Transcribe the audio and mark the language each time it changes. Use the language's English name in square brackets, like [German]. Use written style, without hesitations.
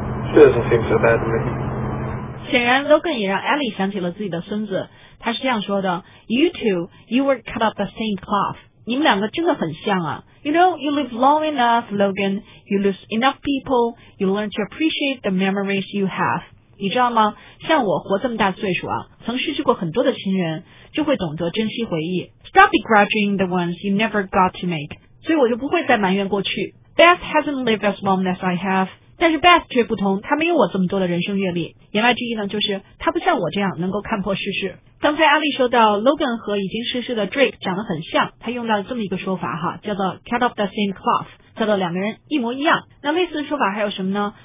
[English] She doesn't seem so bad to me. [Chinese] 显然 Logan 也让 Ellie 想起了自己的孙子，他是这样说的， [English] You two, you were cut of the same cloth. [Chinese] 你们两个真的很像啊。 [English] You know, you live long enough, Logan. You lose enough people. You learn to appreciate the memories you have. [Chinese] 你知道吗，像我活这么大岁数啊，曾失去过很多的亲人，就会懂得珍惜回忆。 [English] Stop begrudging the ones you never got to make. [Chinese] 所以我就不会再埋怨过去。 [English] Beth hasn't lived as long as I have. [Chinese] 但是 Beth 却不同，他没有我这么多的人生阅历。言外之意呢，就是他不像我这样能够看破世事。刚才阿丽说到 Logan 和已经逝世的 Drake 长得很像，他用到了这么一个说法哈，叫做 [English] cut of the same cloth， [Chinese] 叫做两个人一模一样。那类似的说法还有什么呢？